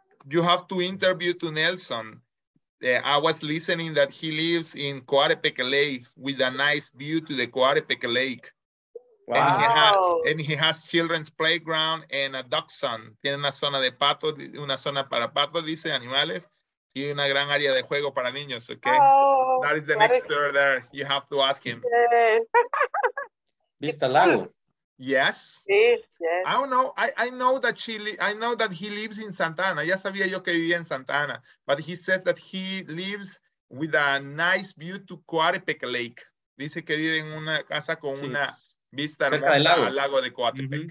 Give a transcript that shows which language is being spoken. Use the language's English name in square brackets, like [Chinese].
[English] You have to interview to Nelson. I was listening that he lives in Coatepec Lake with a nice view to the Coatepec Lake. Wow. And he has children's playground and a dachshund. [Spanish] Tiene una zona de pato, una zona para patos, dice animales, y una gran área de juego para niños, okay? [English] Oh, that is the next door there. You have to ask him. [Spanish] Vista Lago. [English] Yes. Yes. I don't know. I know that he lives in Santa Ana. [Spanish] Ya sabía yo que vivía en Santa Ana. [English] But he says that he lives with a nice view to Coatepec Lake. [Spanish] Dice que vive en una casa con sí, una vista hermosa del lago. Al lago de Coatepec.